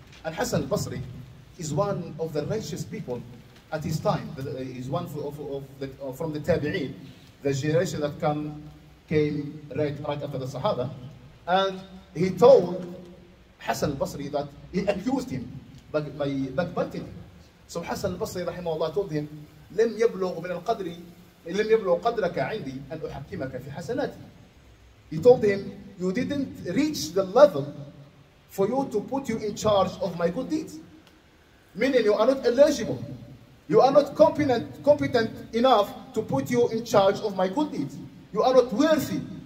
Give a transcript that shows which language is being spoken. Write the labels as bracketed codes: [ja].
[en] And Hassan al-Basri is one of the righteous people at his time. He's one from the Tabi'een, the generation that came right after the Sahaba. And he told Hassan al-Basri that he accused him by backbiting. So Hassan al-Basri, rahimahullah, told him, [ar] لم يبلغ من القدر لم يبلغ قدرك عندي أن أحكمك في حسناتي. [en] He told him, you didn't reach the level for you to put you in charge of my good deeds. Meaning you are not eligible. You are not competent enough to put you in charge of my good deeds. You are not worthy.